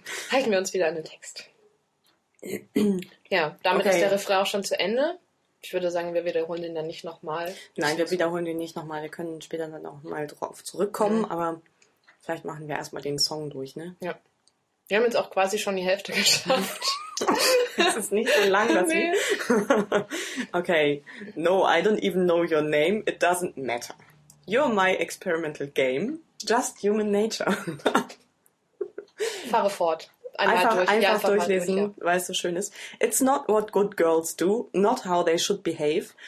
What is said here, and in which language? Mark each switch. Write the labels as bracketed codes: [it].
[de] Halten wir uns wieder an den Text. Ja, damit ist der Refrain auch schon zu Ende. Ich würde sagen, wir wiederholen den dann nicht nochmal. Nein, wir wiederholen den nicht nochmal. Wir können später dann auch mal drauf zurückkommen. Mhm. Aber vielleicht machen wir erstmal den Song durch, ne? Ja. Wir haben jetzt auch quasi schon die Hälfte geschafft. Das ist nicht so lang, das Lied. Okay. [en] No, I don't even know your name. It doesn't matter. You're my experimental game. Just human nature. [de] Fahre fort. einfach durchlesen, weil es so schön ist. [en] It's not what good girls do, not how they should behave.